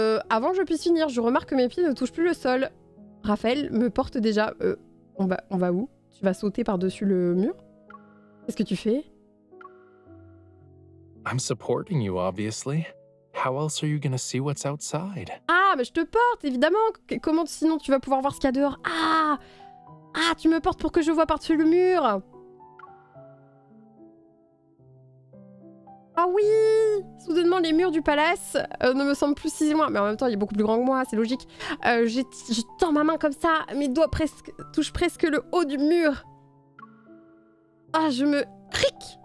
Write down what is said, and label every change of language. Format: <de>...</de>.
<fr>Avant que je puisse finir, je remarque que mes pieds ne touchent plus le sol. Raphaël me porte déjà... On va où? Tu vas sauter par-dessus le mur? Qu'est-ce que tu fais?</fr> <en>I'm supporting you, obviously. How else are you gonna see what's outside?</en> <fr>Ah, mais je te porte, évidemment. Comment sinon tu vas pouvoir voir ce qu'il y a dehors? Ah! Ah, tu me portes pour que je vois par-dessus le mur! Ah oui! Soudainement, les murs du palace ne me semblent plus si loin. Mais en même temps, il est beaucoup plus grand que moi, c'est logique. Je tends ma main comme ça, mes doigts touchent presque le haut du mur. Ah, je me... Cric!</fr>